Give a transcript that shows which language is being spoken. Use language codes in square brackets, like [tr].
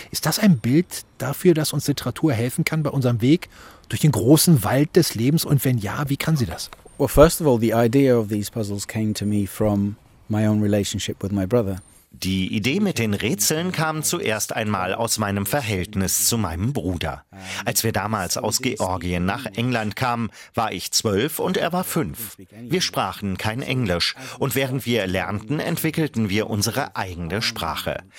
[de] Ist das ein Bild dafür, dass uns Literatur helfen kann bei unserem Weg durch den großen Wald des Lebens? Und wenn ja, wie kann sie das? [en] Well, first of all, the idea of these puzzles came to me from my own relationship with my brother. [de] Die Idee mit den Rätseln kam zuerst einmal aus meinem Verhältnis zu meinem Bruder. Als wir damals aus Georgien nach England kamen, war ich 12 und er war 5. Wir sprachen kein Englisch und während wir lernten, entwickelten wir unsere eigene Sprache.